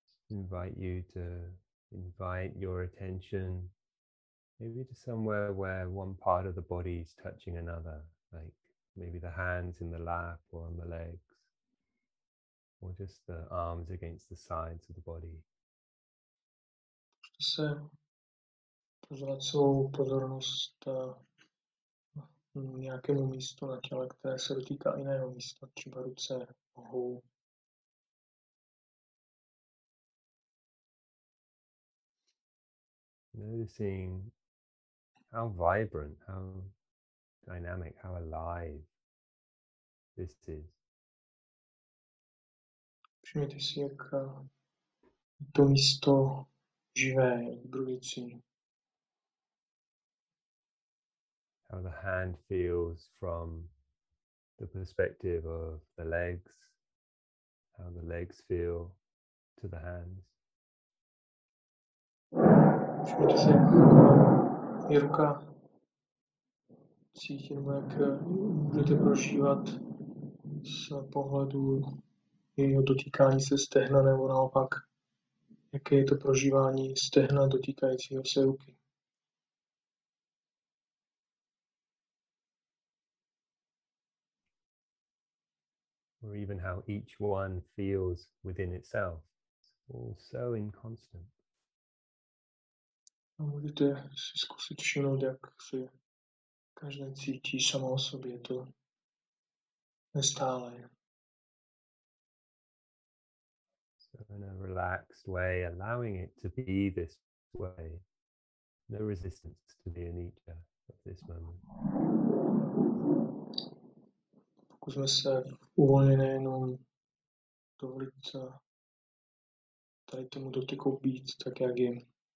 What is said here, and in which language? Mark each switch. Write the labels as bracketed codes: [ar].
[en] invite you to invite your attention maybe to somewhere where one part of the body is touching another, like maybe the hands in the lap or on the legs, or just the arms against the sides of the body. [cs] Se pozvracou pozornost nějakému místu na těle, které se dotýká jiného místa, třeba ruce, nohou. [en] Noticing how vibrant, how dynamic, how alive this is. [cs] Všimněte si, jak to místo živé, vibrující. [en] How the hand feels from the perspective of the legs, how the legs feel to the hands. [cs] Všimněte si, jak ruka cítí, nebo jak můžete prožívat z pohledu jejího dotýkání se stehna, nebo naopak, jaké je to prožívání stehna dotýkajícího se ruky. [en] Or even how each one feels within itself. It's all so inconstant. [cs] A můžete si zkusit všimnout, jak se každé cítí samo o sobě, to nestále. [en] So in a relaxed way, allowing it to be this way. No resistance to the anicca of this moment. [cs] Pokusme se uvolněné jenom dovolit tady tomu dotyku být tak, jak je.